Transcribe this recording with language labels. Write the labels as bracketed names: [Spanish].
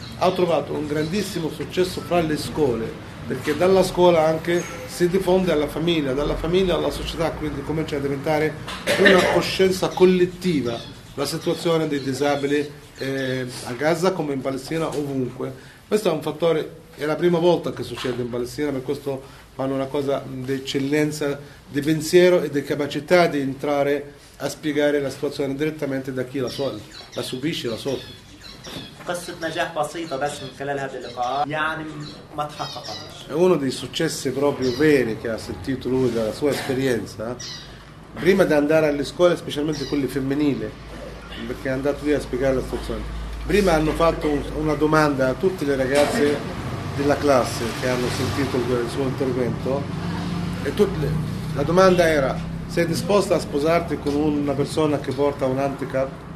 [Italian] Ha trovato un grandissimo successo fra le scuole, perché dalla scuola anche si diffonde alla famiglia, dalla famiglia alla società, quindi comincia a diventare una coscienza collettiva la situazione dei disabili a Gaza come in Palestina, ovunque. Questo è un fattore, è la prima volta che succede in Palestina, per questo fanno una cosa d'eccellenza di pensiero e di capacità di entrare a spiegare la situazione direttamente da chi la subisce, la soffre. [Arabic] قصة نجاح بسيطة بس من خلال هذه اللقاء يعني ما تحققش. [Italian] È uno dei successi proprio veri che ha sentito lui dalla sua esperienza prima di andare alle scuole, specialmente quelle femminili, perché è andato lì a spiegare la situazione. Prima hanno fatto una domanda a tutte le ragazze della classe che hanno sentito il suo intervento e tutte, la domanda era: sei disposta a sposarti con una persona che porta un handicap?